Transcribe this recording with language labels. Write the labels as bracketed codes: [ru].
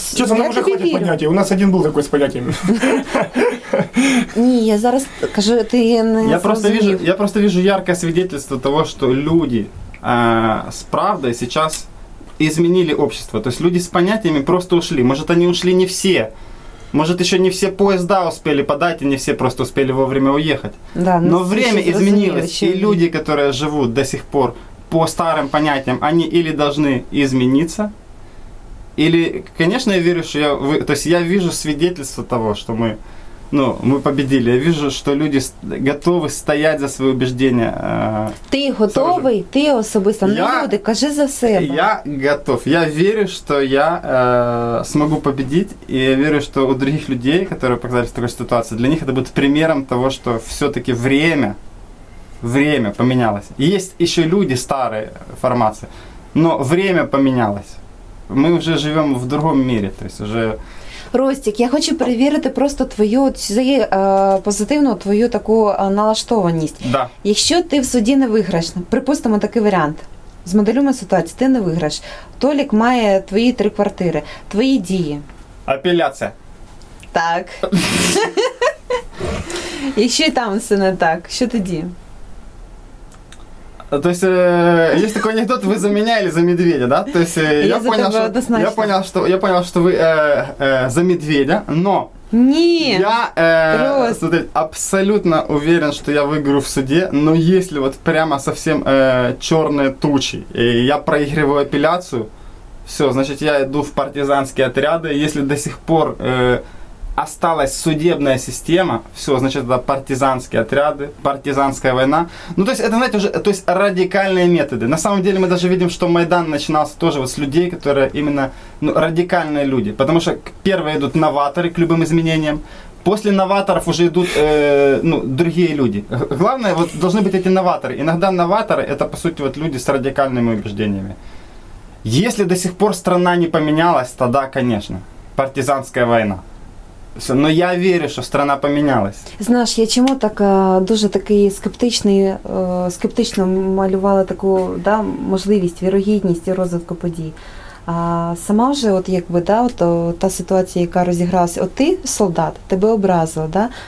[uk] Чесно, нам вже хватить поняття, у нас один був такий з поняттями. Ні, я зараз кажу, ти не зрозумів. Я просто вижу [ru] яркое свидетельство того, [uk] що люди з правдою зараз змінили общество. Тобто, люди з поняттями просто ушли. Може, вони ушли не всі. [ru] Может, еще не все поезда успели подать, и не все просто успели вовремя уехать. Да, но время изменилось, и люди, которые живут до сих пор по старым понятиям, они или должны измениться, или, конечно, я верю, что я вижу свидетельство того, что мы победили. Я вижу, что люди готовы стоять за свои убеждения. Ты готовый? Ты особисто? Ну, люди, кажи за себя. Я готов. Я верю, что я смогу победить. И я верю, что у других людей, которые показались в такой ситуации, для них это будет примером того, что все-таки время поменялось. Есть еще люди старой формации, но время поменялось. Мы уже живем в другом мире, то есть уже... [uk] Ростик, я хочу перевірити просто твою позитивну твою таку налаштованість. Да. Якщо ти в суді не виграєш, припустимо такий варіант, змоделюємо ситуацію, ти не виграєш, Толік має твої три квартири, твої дії. Апеляція. Так. Якщо і там все не так, що тоді? [ru] То есть есть такой анекдот, вы за меня или за медведя, да? То есть я понял, что вы за медведя, но нет, я смотрите, абсолютно уверен, что я выиграю в суде, но если вот прямо совсем черные тучи, и я проигрываю апелляцию, все, значит, я иду в партизанские отряды, если до сих пор осталась судебная система, все, значит, это партизанские отряды, партизанская война. Ну, то есть, это, знаете, уже то есть радикальные методы. На самом деле, мы даже видим, что Майдан начинался тоже вот с людей, которые именно радикальные люди. Потому что первые идут новаторы к любым изменениям. После новаторов уже идут другие люди. Главное, вот должны быть эти новаторы. Иногда новаторы – это, по сути, вот люди с радикальными убеждениями. Если до сих пор страна не поменялась, тогда, конечно, партизанская война. [uk] Ну, я вірю, що страна помінялась. Знаєш, я чому так дуже такий скептичний, скептично малювала таку, да, можливість, вірогідність і розвитку подій. А сама вже, от якби, да, от та ситуація, яка розігралася, от ти солдат, тебе образило, да?